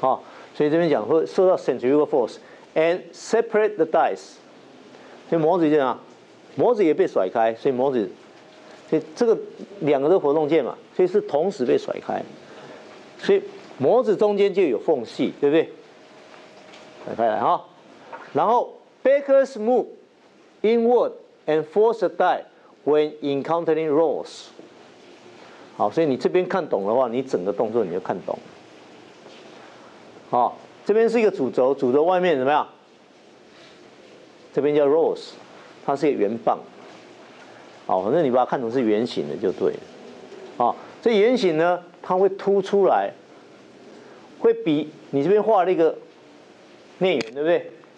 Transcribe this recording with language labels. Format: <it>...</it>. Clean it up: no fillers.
<zh>好，所以这边讲会受到</zh> <en>centrifugal force and separate the dies。</en> <zh>所以模子就啊，模子也被甩开，所以模子，所以这个两个都活动件嘛，所以是同时被甩开，所以模子中间就有缝隙，对不对？甩开来哈，然后</zh> <en>Baker's move inward and force the die when encountering rolls。</en> <zh>好，所以你这边看懂的话，你整个动作你就看懂。好，这边是一个主轴，主轴外面怎么样？这边叫 rolls， 它是一个圆棒，好，反正你把它看成是圆形的就对了，啊，这圆形呢，它会凸出来，会比你这边画了一个内圆，对不对？</zh>